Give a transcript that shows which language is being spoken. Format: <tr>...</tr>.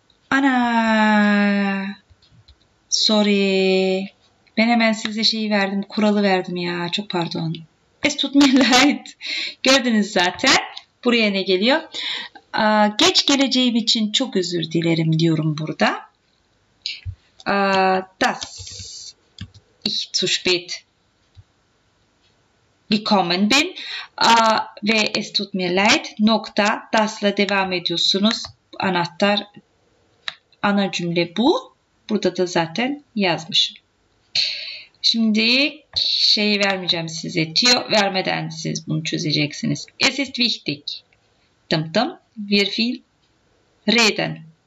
<tr>Ana, sorry. Ben hemen size şeyi verdim, kuralı verdim ya. Çok pardon.</tr> <de>Es tut mir leid.</de> <tr>Gördünüz zaten. Buraya ne geliyor? Geç geleceğim için çok özür dilerim diyorum burada.</tr> <de>Das ich zu spät gekommen bin.</de> <tr>Ve</tr> <de>es tut mir leid.</de> <tr>Nokta. Das'la devam ediyorsunuz. Anahtar. Ana cümle bu. Burada da zaten yazmışım. Şimdi şeyi vermeyeceğim size. Tio vermeden siz bunu çözeceksiniz.</tr> <de>Es ist wichtig. Dım dım. Wir viel reden.</de>